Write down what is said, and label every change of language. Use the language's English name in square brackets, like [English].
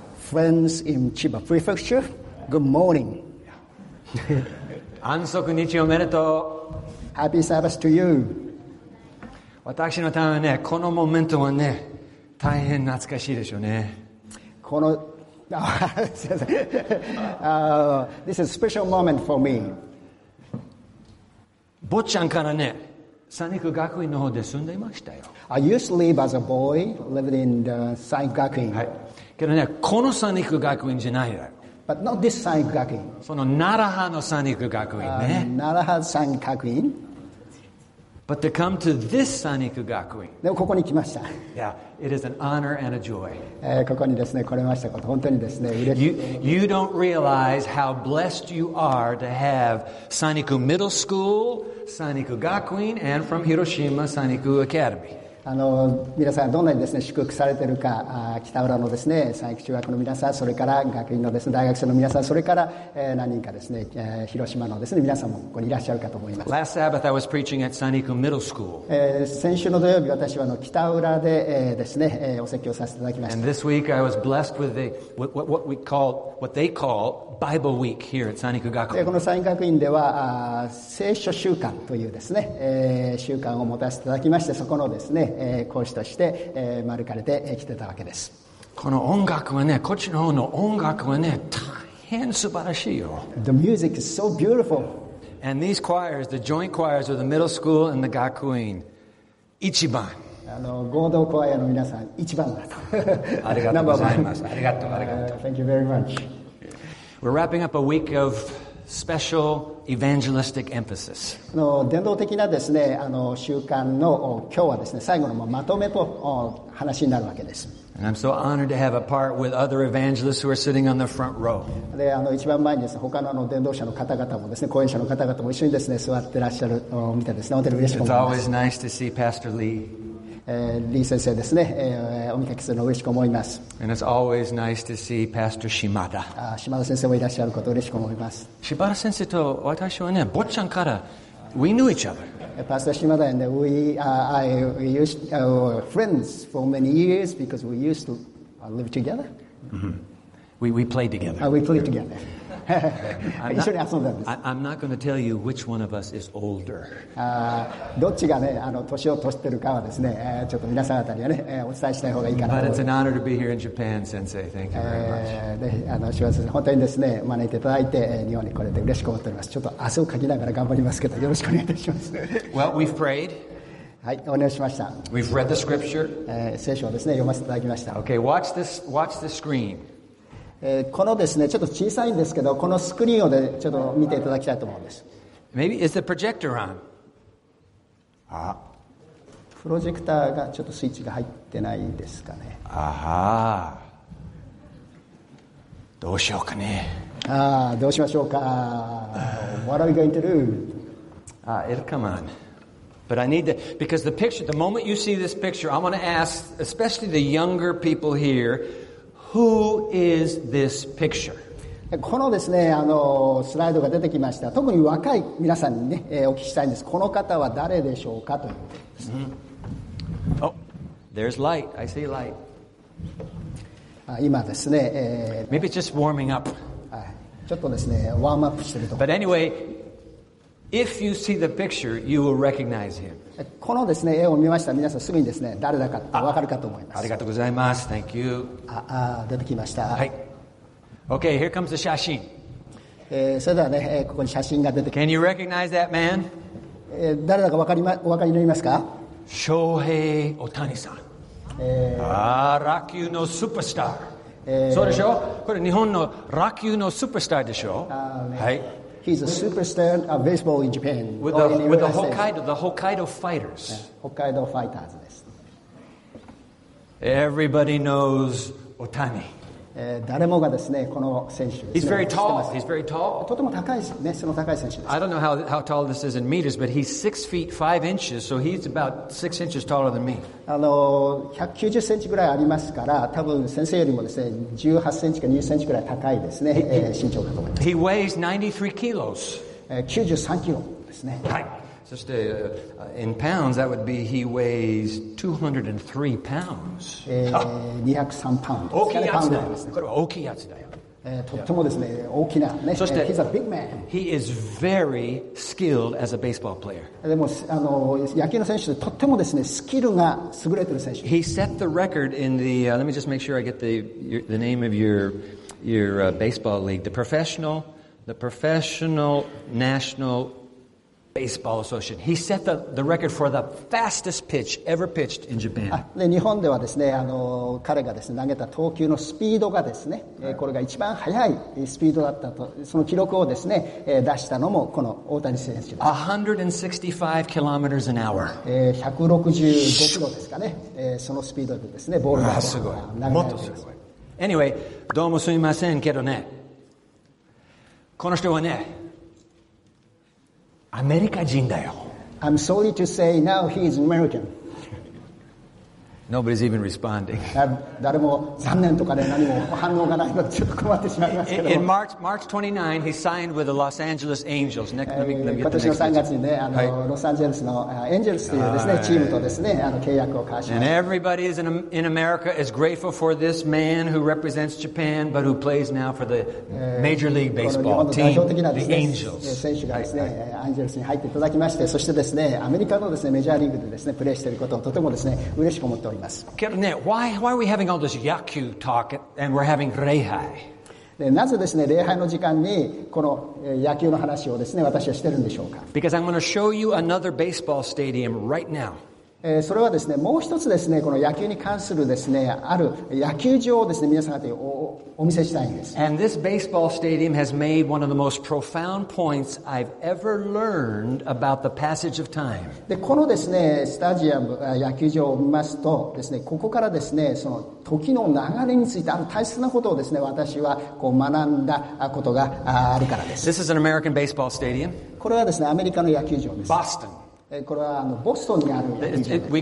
[English] Friends in Chiba Prefecture, good morning. [Japanese] 安息日おめでとう。 [English] Happy Sabbath to you. [Japanese] 私のためね、このモメントはね、大変懐かしいでしょうね。 [English] この、this is a special moment for me. [Japanese] 坊ちゃんからね、三陸学院の方で住んでいましたよ。 [English] I used to live as a boy, lived in the 三陸学院。 [Japanese] はい。けどね、この三陸学院じゃないよ。 [English] But not this 三陸学院。 [Japanese] その奈良派の三陸学院ね。奈良派三陸学院。 [English] But to come to this 三陸学院。 [Japanese] でもここに来ました。 [English] Yeah, it is an honor and a joy. [Japanese] ここにですね、来れましたこと、本当にですね、嬉しい。 [English] You don't realize how blessed you are to have 三陸 Middle School, 三陸学院 and from Hiroshima 三陸 Academy. [Japanese] 皆さんどんなにですね、祝福されているか、北浦のですね、三陸中学の皆さん、それから学院のですね、大学生の皆さん、それから、何人かですね、広島のですね、皆さんもここにいらっしゃるかと思います。 [English] Last Sabbath I was preaching at 三陸 Middle School. [Japanese] 先週の土曜日、私は北浦で、ですね、お説教させていただきました。 [English] And this week I was blessed with what they call Bible Week here at 三陸学院。 [Japanese] この三陸学院では、聖書週間というですね、習慣を持たせていただきまして、そこのですね、講師として招かれてきてたわけです。この音楽はね、こっちの方の音楽はね、大変素晴らしいよ。 [English] The music is so beautiful. And these choirs, the joint choirs of the middle school and the 学院、一番。 [Japanese] 合同コアの皆さん一番だと。ありがとうございます。ありがとう、ありがとう。 [English] Thank you very much. We're wrapping up a week of special evangelistic emphasis. [Japanese] 伝道的なですね、習慣の今日はですね、最後のまとめと話になるわけです。 [English] And I'm so honored to have a part with other evangelists who are sitting on the front row. [Japanese] で、一番前にですね、他の伝道者の方々もですね、講演者の方々も一緒にですね、座ってらっしゃるを見てですね、本当に嬉しく思います。 [English] It's always nice to see Pastor Lee. [Japanese] 李先生ですね、お見かけするのを嬉しく思います。 [English] And it's always nice to see Pastor Shimada. [Japanese] 島田先生もいらっしゃることを嬉しく思います。島田先生と私はね、坊ちゃんから [English] we knew each other. Pastor Shimada and we are friends for many years because we used to live together.、 Mm-hmm. We played together. We played together. I'm not going to tell you which one of us is older. [Japanese] どっちがね、年を取ってるかはですね、ちょっと皆さん方にはね、お伝えしたい方がいいかなと。 [English] But it's an honor to be here in Japan, Sensei. Thank you very much. [Japanese] 島田先生、本当にですね、招いていただいて、日本に来れて嬉しく思っております。ちょっと汗をかきながら頑張りますけど、よろしくお願いいたします。 [English] Well, we've prayed. [Japanese] はい、お願いしました。 [English] We've read the scripture. [Japanese] 聖書をですね、読ませていただきました。 [English] Okay, watch the screen. [Japanese] このですね、ちょっと小さいんですけど、このスクリーンをでちょっと見ていただきたいと思うんです。 [English] Maybe is the projector on? ああ。 [Japanese] プロジェクターがちょっとスイッチが入ってないですかね。ああ。どうしようかね。ああ、どうしましょうか。 [English] What are we going to do? It'll come on. But I need to, because the picture, the moment you see this picture, I want to ask, especially the younger people here,Who is this picture? [Japanese] このですね、スライドが出てきました。特に若い皆さんにね、お聞きしたいんです。この方は誰でしょうかという。 [English] Mm-hmm. Oh, there's light. I see light. [Japanese] 今ですね、 [English] Maybe just warming up. [Japanese] ちょっとですね、ワームアップしてると。 [English] But anyway, if you see the picture, you will recognize him. [Japanese] このですね、絵を見ました。皆さんすぐにですね、誰だかわかるかと思います。ありがとうございます。 [English] Thank you. [Japanese] 出てきました。 [English] はい。Okay, here comes the 写真。 [Japanese] それではね、ここに写真が出てきます。 [English] Can you recognize that man? [Japanese] 誰だかお分かりになりますか？ Shohei Ohtani さん。ラキューのスーパースター。そうでしょ？これ日本のラキューのスーパースターでしょ？ [English] はい。He's a superstar of baseball in Japan. With the Hokkaido Fighters. Hokkaido Fighters. Everybody knows Otani. [Japanese] 誰もがですね、この選手。 [English] He's very tall. He's very tall. [Japanese] とても高いね、その高い選手です。 [English] I don't know how tall this is in meters, but he's 6 feet 5 inches, so he's about 6 inches taller than me. [Japanese] 190センチぐらいありますから、多分先生よりもですね、18センチか20センチぐらい高いですね、身長かと思います。 [English] He weighs 93 kilos. [Japanese] 93キロですね。はい。そして、 [English] in pounds, that would be he weighs 203 pounds. [Japanese] 203パウンド。大きいやつだよ。これは大きいやつだよ。とってもですね、大きなね。そして、 [English] he's a big man. He is very skilled as a baseball player. [Japanese] でも、野球の選手でとってもですね、スキルが優れてる選手。 [English] He set the record in the, let me just make sure I get the name of your baseball league, the professional national baseball association. He set the record for the fastest pitch ever pitched in Japan. [Japanese] で日本ではですね、彼がですね、投げた投球のスピードがですね、これが一番速いスピードだったと、その記録をですね、出したのもこの大谷選手です。 [English] 165 kilometers an hour. [Japanese] 165キロですかね、そのスピードでですね、ボールが投げられる。もっとすごい。 [English] Anyway, [Japanese] どうもすみませんけどね。この人はね、アメリカ人だよ。 [English] I'm sorry to say now he is American. Nobody's even responding. [Japanese] 誰も残念とかで何も反応がないのでちょっと困ってしまいますけど。 [English] In March 29, he signed with the Los Angeles Angels. Let me get the next [Japanese] 今年の3月にね、ロサンゼルスのエンジェルスというですね、チームとですね、契約を交わしました。 [English] And everybody in America is grateful for this man who represents Japan, but who plays now for the Major League Baseball team, the Angels. [Japanese] 選手がですね、エンジェルスに入っていただきまして、そしてですね、アメリカのですね、メジャーリーグでですね、プレーしていることをとてもですね、嬉しく思います。けどね、 [English] why are we having all this yaku talk and we're having reihai? [Japanese] なぜですね、礼拝の時間にこの野球の話をですね、私はしてるんでしょうか。 [English] Because I'm going to show you another baseball stadium right now. [Japanese] それはですね、もう一つですね、この野球に関するですね、ある野球場をですね、皆さんにお見せしたいんです。 [English] And this baseball stadium has made one of the most profound points I've ever learned about the passage of time. [Japanese] で、このですね、スタジアム、野球場を見ますとですね、ここからですね、その時の流れについてある大切なことをですね、私はこう学んだことがあるからです。 [English] This is an American baseball stadium. [Japanese] これはですね、アメリカの野球場です。 [English] Boston. [Japanese] これはボストンにある野球場です。